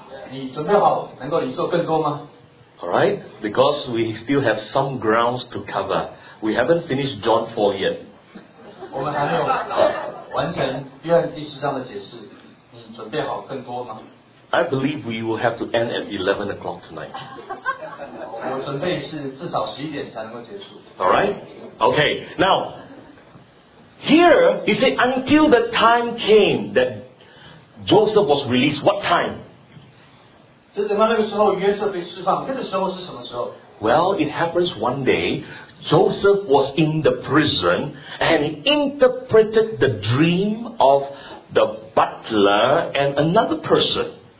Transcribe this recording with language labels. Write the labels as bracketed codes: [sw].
[zh] 你准备好能够领受更多吗? [en] Alright, because we still have some grounds to cover. We haven't finished John 4 yet. [zh] 我们还没有完成约翰第十章的解释，你准备好更多吗? [en] I believe we will have to end at 11 o'clock tonight. [zh] 我准备是至少11点才能够结束。 [en] Alright, okay, now, here, he said, until the time came that Joseph was released, what time? [zh] 等到那个时候约瑟被释放，那个时候是什么时候？ [en] Well, it happens one day, Joseph was in the prison and he interpreted the dream of the butler and another person.